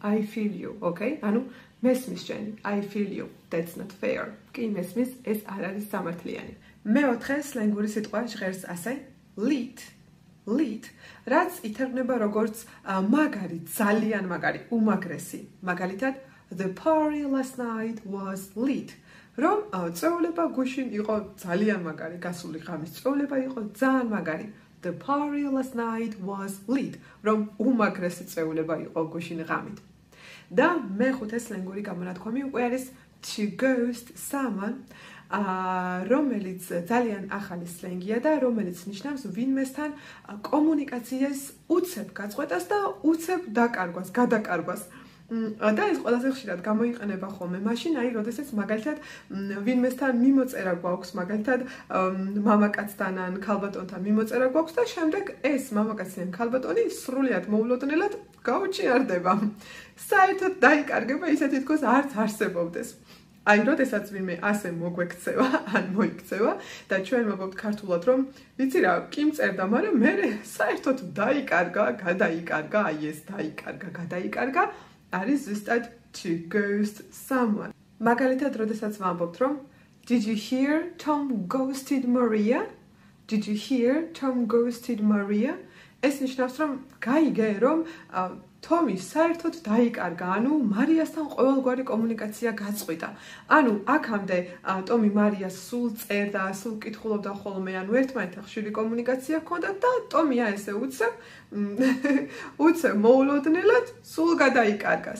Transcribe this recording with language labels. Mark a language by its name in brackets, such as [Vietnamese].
[English] I feel you. [Georgian] ოკეი? ანუ მესმის შენი. [English] I feel you. That's not fair. [Georgian] კი მესმის, ეს არ არის სამართლიანი. მეოთხე სლენგური სიტყვა ჟღერს ასე. Lit. Lit. რაც ითარგმნება როგორც მაგარი, ძალიან მაგარი, უმაგრესი. მაგალითად, [English] the party last night was lit. [Georgian] რომ წვეულება გუშინ იყო ძალიან მაგარი, გასული ღამის წვეულება იყო ძალიან მაგარი. [English] The party last night was lit. [Georgian] რომ უმაგრესი წვეულება იყო გუშინ ღამით. და მეხუთე სლენგური გამონათქვამი უკვე არის to ghost someone. რომელიც ძალიან ახალი სლენგია და რომელიც ნიშნავს ვინმესთან კომუნიკაციის უცებ გაწყვეტას და უცებ დაკარგვას, გადაკარგვას. და ეს ყველაზე ხშირად გამოიყენება ხოლმე მაშინ, აი როდესაც მაგალითად ვინმესთან მიმოწერა გვაქვს, მაგალითად მამაკაცთან ან ქალბატონთან მიმოწერა გვაქვს და შემდეგ ეს მამაკაცი ან ქალბატონი სრულიად მოულოდნელად გაუჭიარდება. საერთოდ დაიკარგება ისეთი თქოს არც არსებობდეს. აი, როდესაც ვინმე ასე მოგვექცევა ან მოიქცევა და ჩვენ ვაბობთ ქართულად რომ ვიცი რა, კი მწერდა, მაგრამ მე საერთოდ დაიკარგა, გადაიკარგა, აი ეს დაიკარგა, გადაიკარგა, არის ზუსტად to ghost someone. მაგალითად, როდესაც ვამბობთ რომ [English] did you hear Tom ghosted Maria? Did you hear Tom ghosted Maria? [Georgian] ეს ნიშნავს რომ გაიგე რომ ტომი საერთოდ დაიკარგა, ანუ მარიასთან ყოველგვარი კომუნიკაცია გაწყვიტა. ანუ აქამდე ტომი მარიას სულ წერდა, სულ კითხულობდა ხოლმე, ანუ ერთმანეთთან ხშირი კომუნიკაცია ჰქონდა და ტომი აი ესე უცე მოულოდნელად სულ გადაიკარგა.